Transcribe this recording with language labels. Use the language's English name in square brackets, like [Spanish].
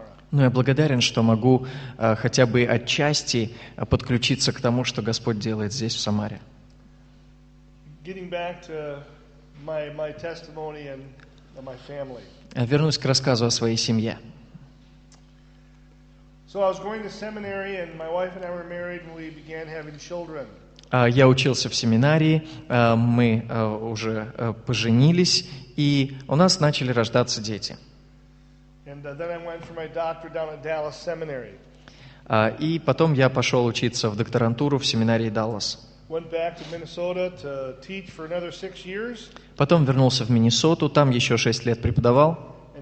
[Russian] Но я благодарен, что могу хотя бы отчасти подключиться к тому, что Господь делает здесь, в Самаре. [English] Getting back to my testimony and my family. [Russian] Вернусь к рассказу о своей семье. [English] So I was going to seminary, and my wife and I were married, and we began having children. [Russian] Я учился в семинарии, мы уже поженились, и у нас начали рождаться дети. [English] And then I went for my doctorate down at Dallas Seminary. [Russian] И потом я пошел учиться в докторантуру в семинарии Даллас. Потом вернулся в Миннесоту, там еще 6 лет преподавал.